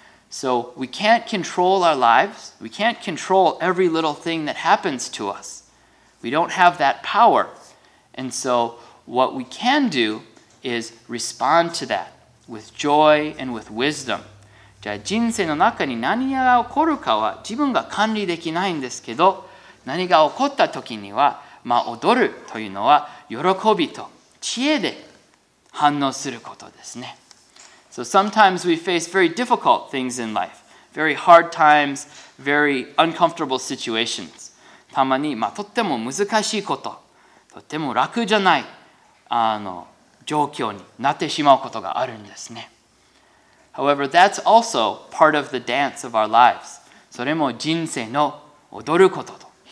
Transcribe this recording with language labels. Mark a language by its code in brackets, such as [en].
[en] So, we can't control our lives. We can't control every little thing that happens to us. We don't have that power. And so, what we can do is respond to that with joy and with wisdom. [ja] じゃあ、人生の中に何が起こるかは自分が管理できないんですけど、何が起こったときには、まあ、踊るというのは喜びと知恵で反応することですね。 [en] So sometimes we face very difficult things in life. Very hard times, very uncomfortable situations. [ja] たまに、まあ、とっても難しいこと、とっても楽じゃない状況になってしまうことがあるんですね。 [en] However, that's also part of the dance of our lives. [ja] それも人生の踊ることと。